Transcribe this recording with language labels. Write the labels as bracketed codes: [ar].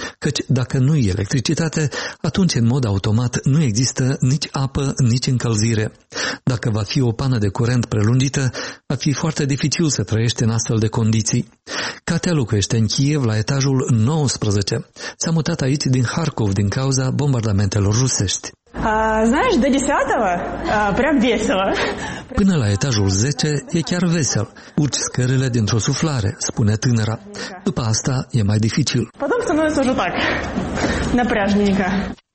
[ro] Căci dacă nu-i electricitate, atunci în mod automat nu există nici apă, nici încălzire. Dacă va fi o pană de curent prelungită, va fi foarte dificil să trăiești în astfel de condiții. Katia locuiește în Kiev la etajul 19. S-a mutat aici din Harkov din cauza bombardamentelor rusești. [ru] Знаешь, до 10-го прям весело. [ro] Până la etajul 10 e chiar vesel. Urci scările dintr-o suflare, spune tânăra. După asta e mai dificil. [ru] Потом становится уже так напряжненько.